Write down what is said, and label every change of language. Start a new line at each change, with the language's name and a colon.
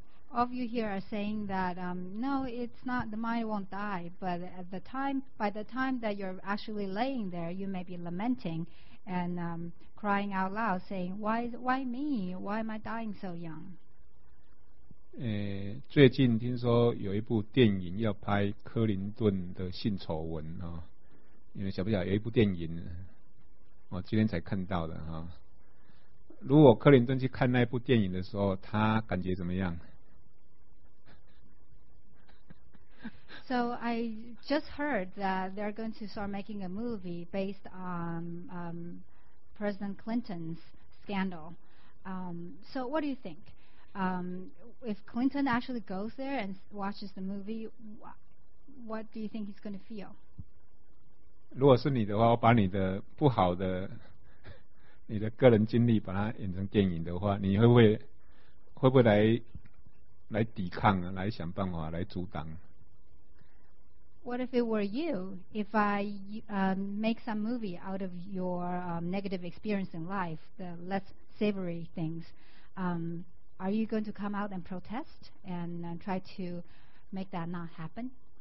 English: All of you here are saying that no, it's not, the mind won't die, but at the time, by the time that you're actually laying there, you may be lamenting and crying out loud, saying, why me? Why am I dying so young?
Chinese: 最近听说有一部电影要拍克林顿的性丑闻啊，因为晓不晓得有一部电影，我今天才看到的啊。如果克林顿去看那部电影的时候，他感觉怎么样
English: ？So I just heard that they're going to start making a movie based on President Clinton's scandal. So what do you think? If Clinton actually goes there and watches the movie, what do you think he's going to feel?
Chinese: 如果是你的话，我把你的不好的、你的个人经历把它演成电影的话，你会不会来抵抗啊？来想办法来阻挡
English: ？What if it were you? If I make some movie out of your negative experience in life, the less savory things, are you going to come out and protest and try to make that not happen?